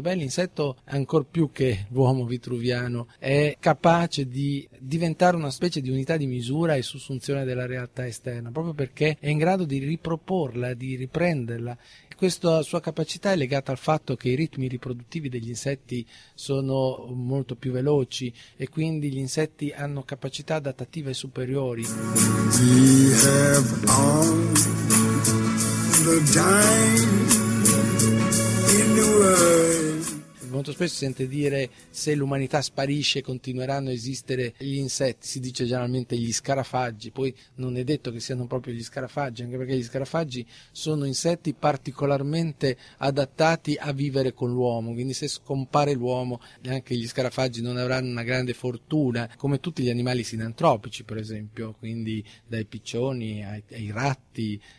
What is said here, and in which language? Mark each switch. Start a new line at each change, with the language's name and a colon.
Italian: Beh, l'insetto, ancor più che l'uomo vitruviano, è capace di diventare una specie di unità di misura e sussunzione della realtà esterna, proprio perché è in grado di riproporla, di riprenderla. Questa sua capacità è legata al fatto che i ritmi riproduttivi degli insetti sono molto più veloci e quindi gli insetti hanno capacità adattative superiori.
English: We have all the time in the world.
Italian: Molto spesso si sente dire: se l'umanità sparisce continueranno a esistere gli insetti, si dice generalmente gli scarafaggi, poi non è detto che siano proprio gli scarafaggi, anche perché gli scarafaggi sono insetti particolarmente adattati a vivere con l'uomo, quindi se scompare l'uomo anche gli scarafaggi non avranno una grande fortuna, come tutti gli animali sinantropici per esempio, quindi dai piccioni ai ratti.